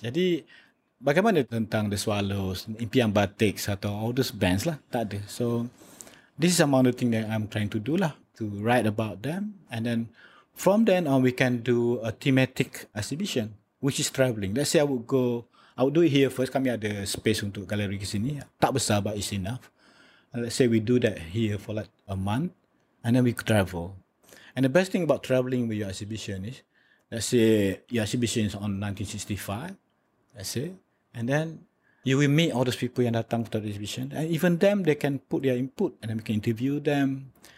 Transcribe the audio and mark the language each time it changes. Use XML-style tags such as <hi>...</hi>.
<ms>Jadi bagaimana tentang The Swallows, Impian Batik atau</ms> <en>all those bands</en> <ms>lah? Tak ada.</ms> <en>So this is among the thing that I'm trying to do lah, to write about them. And then from then on, we can do a thematic exhibition, which is traveling. Let's say I would do it here first.</en> <ms>Kami ada space untuk galeri ke sini. Tak besar,</ms> <en>but it's enough. Let's say we do that here for like a month, and then we travel. And the best thing about traveling with your exhibition is, let's say your exhibition is on 1965, let's say, and then you will meet all those people</en> <ms>yang datang</ms> <en>for the exhibition. And even them, they can put their input, and then we can interview them.</en>